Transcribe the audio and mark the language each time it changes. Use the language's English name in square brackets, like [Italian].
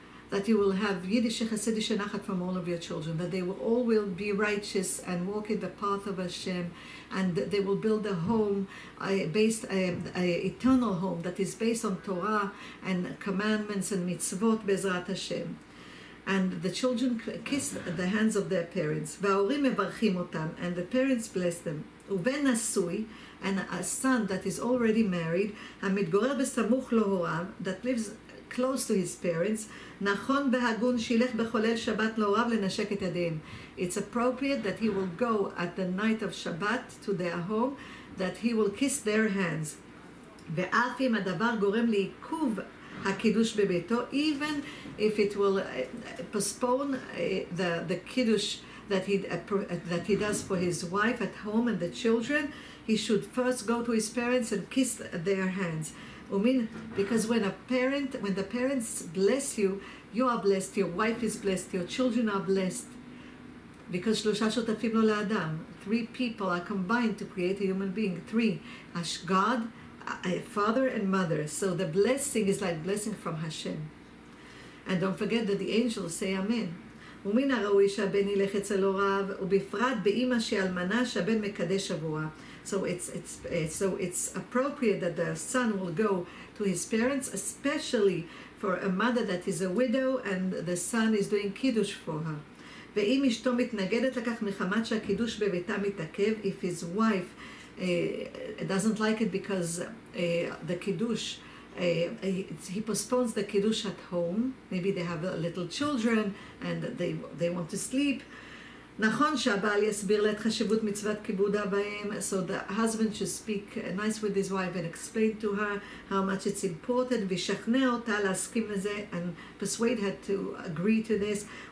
[English] That you will have Yiddish, Chassidish, and Nachat from all of your children. That they will all be righteous and walk in the path of Hashem. And they will build a home, eternal home that is based on Torah and commandments and mitzvot Bezrat Hashem. And the children kiss the hands of their parents. [Hebrew] וההורים מברכים אותם, [English] and the parents bless them. [Hebrew] ובן נשוי, [English] and a son that is already married, [Hebrew] המתגורר בסמוך להוריו, [English] that lives close to his parents, [Hebrew] נכון והגון שילך בחולל שבת להוריו לנשק את ידיהם. [English] It's appropriate that he will go at the night of Shabbat to their home, that he will kiss their hands. [Hebrew] ואף אם הדבר גורם לעיכוב הקידוש בביתו, [English] even if it will postpone the kiddush that he does for his wife at home and the children, he should first go to his parents and kiss their hands. Because when the parents bless you, you are blessed, your wife is blessed, your children are blessed. Because [Hebrew] שלושה שותפים לו לאדם, [English] three people are combined to create a human being. Three, God, father and mother. So the blessing is like blessing from Hashem. And don't forget that the angels say amen. [Hebrew] ומן הראוי שהבן ילך אצל הוריו, ובפרט באמא שאלמנה שהבן מקדש עבורה. [English] So it's appropriate that the son will go to his parents, especially for a mother that is a widow and the son is doing kiddush for her. [Hebrew] ואם אשתו מתנגדת לכך מחמת שהקידוש בביתה מתעכב, [English] if his wife doesn't like it because the kiddush, he postpones the kiddush at home, maybe they have little children and they want to sleep. [Hebrew] נכון שהבעל יסביר לה את חשיבות מצוות כיבוד אב ואם. [English] So the husband should speak nice with his wife and explain to her how much it's important, [Hebrew] וישכנע אותה להסכים לזה, [English] and persuade her to agree to this.